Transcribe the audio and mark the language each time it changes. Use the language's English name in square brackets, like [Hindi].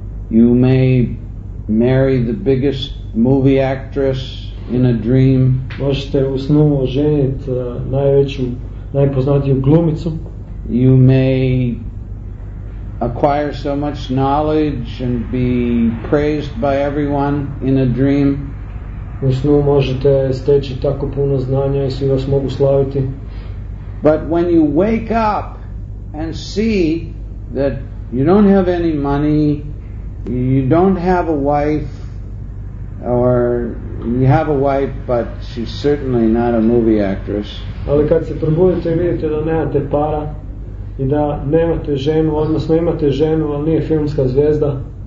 [English] You may marry the biggest movie actress in a dream. [Croatian] Možete u snu oženiti najveću, najpoznatiju glumicu. [English] You may acquire so much knowledge and be praised by everyone in a dream. [Croatian] U snu možete steći tako puno znanja i svi vas mogu slaviti. [English] But when you wake up and see that you don't have any money, you don't have a wife, or you have a wife but she's certainly not a movie actress. [Croatian] Ali kad se probudite i vidite da nemate para i da nemate ženu, odnosno imate ženu ali nije filmska zvijezda,